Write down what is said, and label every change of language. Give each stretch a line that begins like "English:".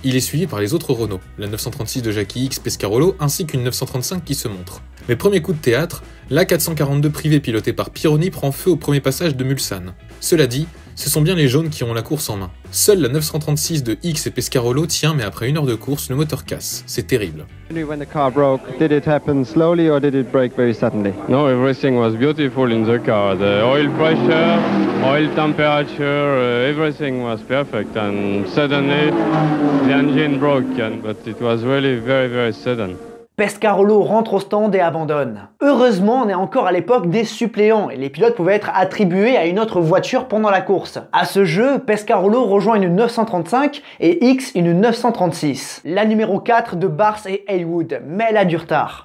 French: Il est suivi par les autres Renault, la 936 de Jackie X Pescarolo ainsi qu'une 935 qui se montre. Mais premier coup de théâtre, la 442 privée pilotée par Pironi prend feu au premier passage de Mulsanne. Cela dit, ce sont bien les jaunes qui ont la course en main. Seule la 936 de X et Pescarolo tient, mais après une heure de course, le moteur casse. C'est terrible.
English: When the car broke, did it happen slowly or did it break very suddenly? No, everything was beautiful in the car. The oil pressure, oil temperature, everything was perfect. And suddenly, the engine broke. But it was really very, very sudden.
French: Pescarolo rentre au stand et abandonne. Heureusement, on est encore à l'époque des suppléants et les pilotes pouvaient être attribués à une autre voiture pendant la course. À ce jeu, Pescarolo rejoint une 935 et X une 936. La numéro 4 de Barthes et Haywood, mais elle a du retard.